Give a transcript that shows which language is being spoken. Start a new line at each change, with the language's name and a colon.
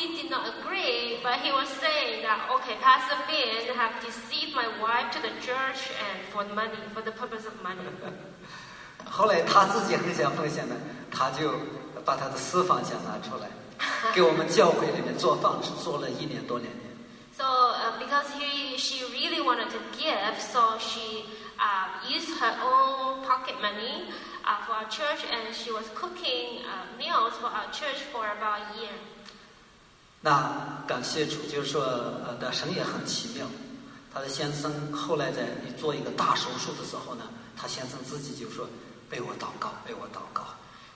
English: But he was saying that, okay, Pastor Bin have deceived my wife to the church and for the money, for the purpose of money.
Chinese: 后来他自己很想奉献的，他就把他的私房钱拿出来，给我们教会里面做饭，是做了一年多两年。
English: So because she really wanted to give, so she used her own pocket money for our church, and she was cooking meals for our church for about a year.
Chinese: 那感谢主，就是说，的神也很奇妙。他的先生后来在你做一个大手术的时候呢，他先生自己就说：“为我祷告，为我祷告。”